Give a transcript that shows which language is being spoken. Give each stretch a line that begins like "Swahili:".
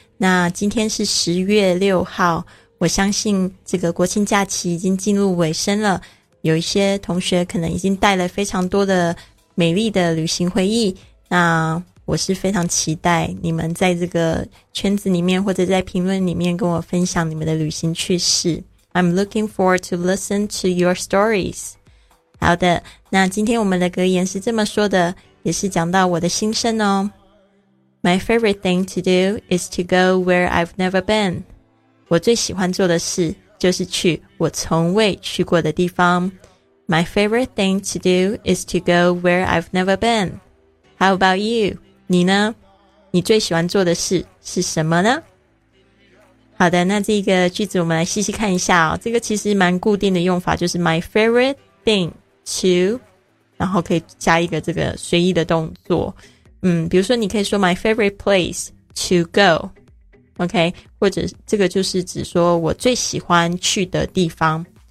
Chinese: 那今天是10月6号，我相信这个国庆假期已经进入尾声了，有一些同学可能已经带了非常多的美丽的旅行回忆，那我是非常期待你们在这个圈子里面或者在评论里面跟我分享你们的旅行趣事。
English: I'm looking forward to listen to your stories。
Chinese: 好的，那今天我们的格言是这么说的，也是讲到我的心声哦。
English: My favorite thing to do is to go where I've never been.
Chinese: 我最喜欢做的事就是去我从未去过的地方。
English: My favorite thing to do is to go where I've never been. How about you?
Chinese: 你呢？你最喜欢做的事是什么呢？好的，那这个句子我们来细细看一下哦。这个其实蛮固定的用法，就是
English: my favorite thing to，
Chinese: 然后可以加一个这个随意的动作。比如说你可以说
English: my favorite place to go，
Chinese: OK， 或者这个就是指说我最喜欢去的地方。